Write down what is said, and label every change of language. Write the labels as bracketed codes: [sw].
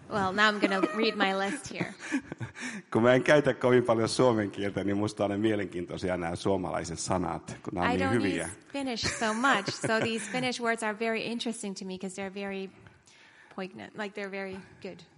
[en] Well, now I'm going to read my list here. [fi] Kun mä en käytä kovin paljon suomen kieltä, niin musta on ne mielenkiintoisia nämä suomalaiset sanat, kun nämä on niin hyviä. [en] I don't use Finnish so much, so these Finnish words are very interesting to me because they're very poignant, like they're very good.